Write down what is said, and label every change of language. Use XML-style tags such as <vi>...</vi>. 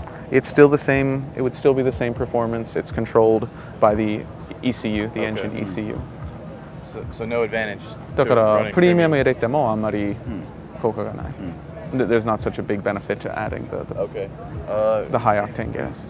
<en>It's still the same, it would still be the same performance. It's controlled by the ECU, the engine ECU. So no advantage.</en> <ja>だからプレミアム入れてもあんまり効果がない。</ja> <en>There's not such a big benefit to adding the high octane gas.</en>